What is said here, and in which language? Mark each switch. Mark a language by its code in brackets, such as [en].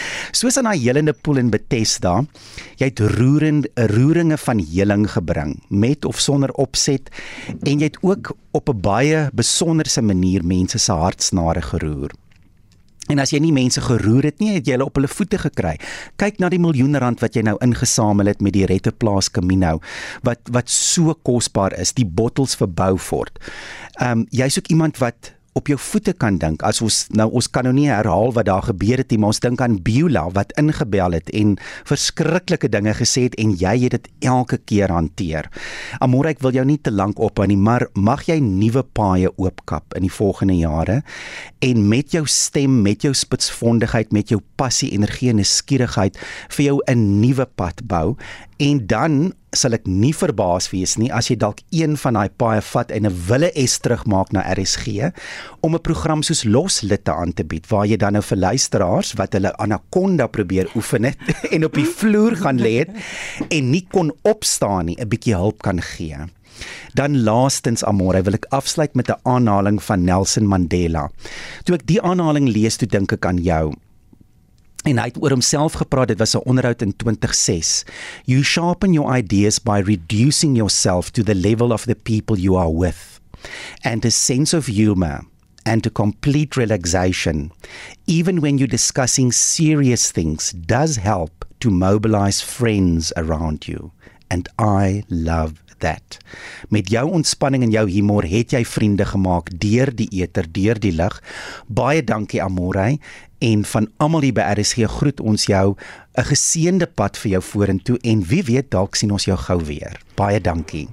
[af] Soos in daai helende pool in Bethesda, jy het roeringe van heling gebring, met of sonder opset, en jy het ook op 'n baie besonderse manier mense se hartsnare geroer. En as jy nie mense geroer het nie, het jy hulle op hulle voete gekry. Kyk na die miljoene rand wat jy nou ingesamel het met die Rette Plaas Camino, wat so kosbaar is, die bottels vir Beaufort. Jy's ook iemand wat op jou voete kan dink. As ons kan nou nie herhaal wat daar gebeur het nie, maar ons dink aan Beulah wat ingebel het en verskriklike dinge gesê het en jy het dit elke keer hanteer. Amore, ek wil jou nie te lank ophou nie, maar mag jy nuwe paaie oopkap in die volgende jare en met jou stem, met jou spitsvondigheid, met jou passie, energie en nuuskierigheid vir jou 'n nuwe pad bou. En dan sal ek nie verbaas wees nie as jy dalk een van daai paaie vat en 'n wille es terugmaak na RSG om 'n program soos Loslitte aan te bied waar jy dan nou vir luisteraars wat hulle anaconda probeer oefen het en op die vloer gaan lê het en nie kon opstaan nie 'n bietjie hulp kan gee. Dan laastens, Amore, wil ek afsluit met 'n aanhaling van Nelson Mandela. Toe ek die aanhaling lees, toe dink ek aan jou. En hy het oor homself gepraat, dit was 'n onderhoud in 2006. [en] You sharpen your ideas by reducing yourself to the level of the people you are with. And a sense of humor and a complete relaxation, even when you're discussing serious things, does help to mobilize friends around you. And I love that. [af] Met jou ontspanning en jou humor het jy vriende gemaak deur die eter, deur die lig. Baie dankie, Amore. En van almal hier by RSG groet ons jou 'n geseënde pad vir jou vorentoe en wie weet dalk sien ons jou gou weer. Baie dankie.